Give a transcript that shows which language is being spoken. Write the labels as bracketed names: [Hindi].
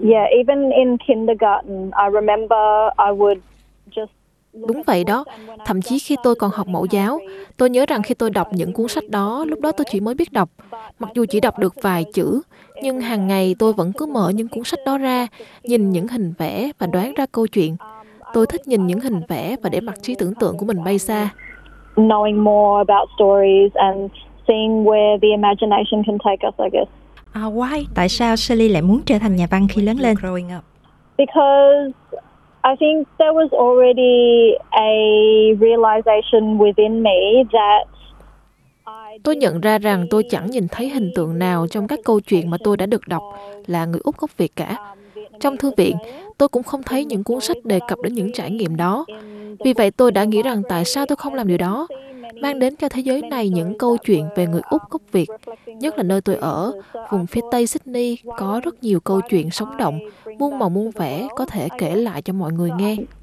[English] Even in kindergarten, I remember I would just. [Vietnamese] Đúng vậy đó. Thậm chí khi tôi còn học mẫu giáo, tôi nhớ rằng khi tôi đọc những cuốn sách đó, lúc đó tôi chỉ mới biết đọc. Mặc dù chỉ đọc được vài chữ, nhưng hàng ngày tôi vẫn cứ mở những cuốn sách đó ra, nhìn những hình vẽ và đoán ra câu chuyện. Tôi thích nhìn những hình vẽ và để mặc trí tưởng tượng của mình bay xa. [English] Knowing more about stories and seeing where the imagination can take us, I guess. Why? [Vietnamese] Tại sao Shirley lại muốn trở thành nhà văn khi lớn lên? [English] Because I think there was already a realization within me that [Vietnamese] tôi nhận ra rằng tôi chẳng nhìn thấy hình tượng nào trong các câu chuyện mà tôi đã được đọc là người Úc gốc Việt cả. Trong thư viện, tôi cũng không thấy những cuốn sách đề cập đến những trải nghiệm đó. Vì vậy, tôi đã nghĩ rằng tại sao tôi không làm điều đó? Mang đến cho thế giới này những câu chuyện về người Úc gốc Việt, nhất là nơi tôi ở, vùng phía Tây Sydney, có rất nhiều câu chuyện sống động, muôn màu muôn vẻ có thể kể lại cho mọi người nghe.